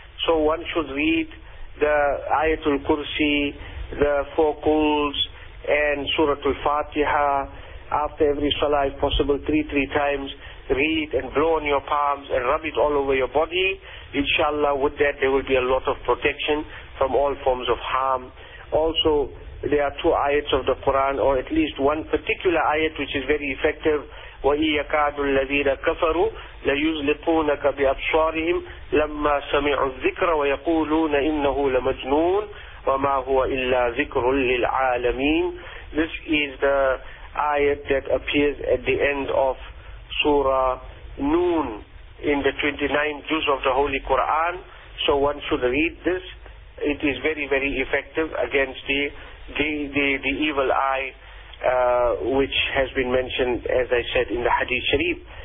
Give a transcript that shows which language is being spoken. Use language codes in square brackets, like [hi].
[en] So one should read the Ayatul Kursi, the four quls, and Suratul Fatiha after every salah, if possible, three times. Read and blow on your palms and rub it all over your body. Inshallah, with that there will be a lot of protection from all forms of harm. Also, there are two ayats of the Quran, or at least one particular ayat, which is very effective. [ar] وَإِيَّكَادُ الَّذِينَ كَفَرُوا لَيُزْلِقُونَكَ بِأَبْصَارِهِمْ لَمَّا سَمِعُوا الذِّكْرَ وَيَقُولُونَ إِنَّهُ لَمَجْنُونَ وَمَا هُوَ إِلَّا ذِكْرٌ لِلْعَالَمِينَ. [en] This is the ayat that appears at the end of Surah Noon in the 29 juz of the Holy Quran. So one should read this. It is very, very effective against the evil eye, which has been mentioned, as I said, in the Hadith Sharif.